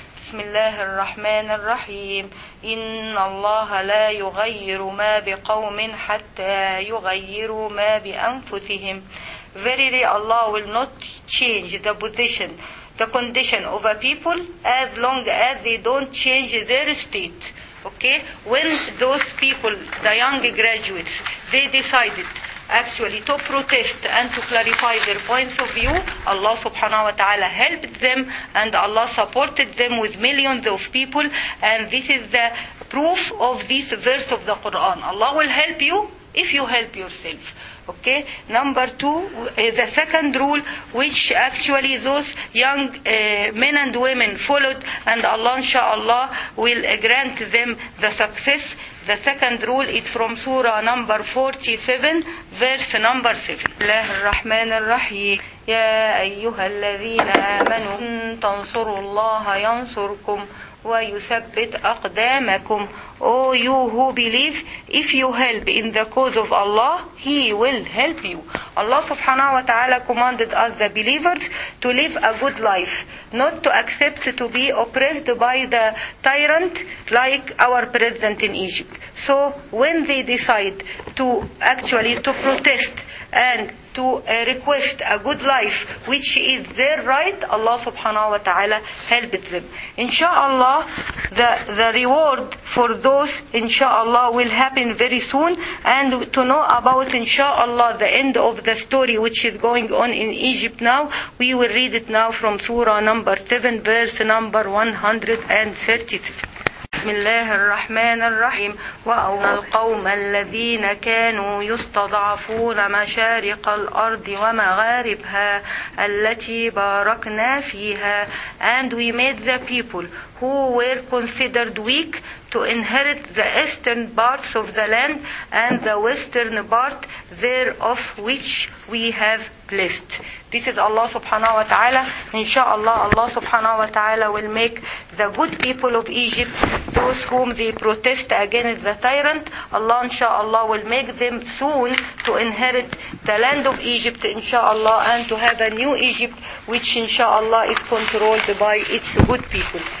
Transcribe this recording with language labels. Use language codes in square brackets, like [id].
[ar] بسم الله الرحمن الرحيم إن الله لا يغير ما بقوم حتى يغيروا ما بأنفسهم [en] Verily Allah will not change the position, the condition of a people as long as they don't change their state. Okay? When those people, the young graduates, they decided actually to protest and to clarify their points of view, Allah subhanahu wa ta'ala helped them and Allah supported them with millions of people, and this is the proof of this verse of the Quran. Allah will help you if you help yourself. Okay, number two, the second rule, which actually those young men and women followed, and Allah inshaAllah will grant them the success. The second rule is from Surah number 47, verse number 7. [ar] الله الرحمن الرحيم يا أيها الذين آمنوا إن تنصروا الله ينصركم ويثبت أقدامكم. [en] O you who believe, if you help in the cause of Allah, He will help you. Allah subhanahu wa ta'ala commanded us, the believers, to live a good life, not to accept to be oppressed by the tyrant like our president in Egypt. So when they decide to actually to protest and to request a good life, which is their right, Allah subhanahu wa ta'ala helped them. InshaAllah, the reward for those, inshaAllah, will happen very soon. And to know about, inshaAllah, the end of the story which is going on in Egypt now, we will read it now from Surah number 7, verse number 136. [ar] بسم الله الرحمن الرحيم وأورثنا القوم الذين كانوا يستضعفون مشارق الأرض ومغاربها التي باركنا فيها. [en] And we made the people who were considered weak to inherit the eastern parts of the land and the western part thereof which we have blessed. This is Allah subhanahu wa ta'ala. InshaAllah, Allah subhanahu wa ta'ala will make the good people of Egypt, those whom they protest against the tyrant, Allah inshaAllah will make them soon to inherit the land of Egypt inshaAllah, and to have a new Egypt which inshaAllah is controlled by its good people.